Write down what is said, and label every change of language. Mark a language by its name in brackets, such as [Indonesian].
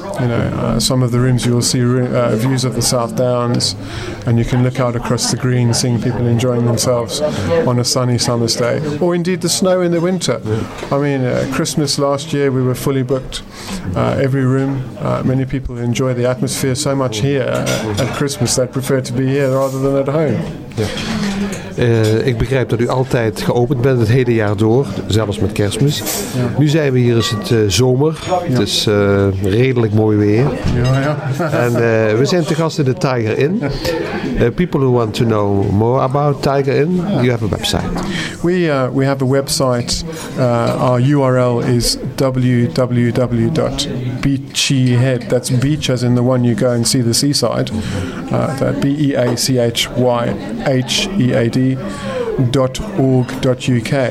[English] You know, some of the rooms you will see views of the South Downs, and you can look out across the green, seeing people enjoying themselves on a sunny summer's day, or indeed the snow in the winter. I mean, Christmas last year we were fully booked, every room. Many people enjoy the atmosphere so much here at Christmas, they prefer to be here rather than at home. [Dutch] Ja. Ik begrijp dat u altijd geopend bent het hele jaar door, zelfs met Kerstmis. Ja. Nu zijn we hier, is het zomer, het is redelijk mooi weer. Ja, ja. En we zijn te gast in de Tiger Inn. [English] People who want to know more about Tiger Inn, you have a website. We have a website, our URL is www.beachyhead, that's beach as in the one you go and see the seaside, beachyhead .org.uk.